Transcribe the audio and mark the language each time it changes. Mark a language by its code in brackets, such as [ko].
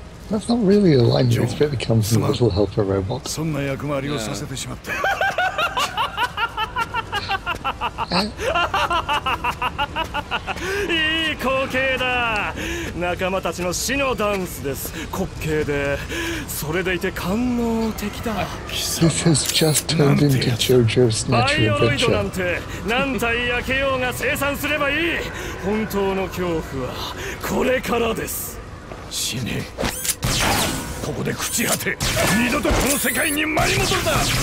[en] Not really a line, it's really comes from a little helper robot. [ja] そんな役回りをさせてしまった。いい光景だ。仲間たちの死のダンスです。滑稽で、それでいて官能的だ。 [en] This has just turned into JoJo's Natural Adventure. [ja] バイオロイドなんて何体焼けようが生産すればいい。本当の恐怖はこれからです。死ね。ここで朽ち果て、二度とこの世界に舞い戻るな。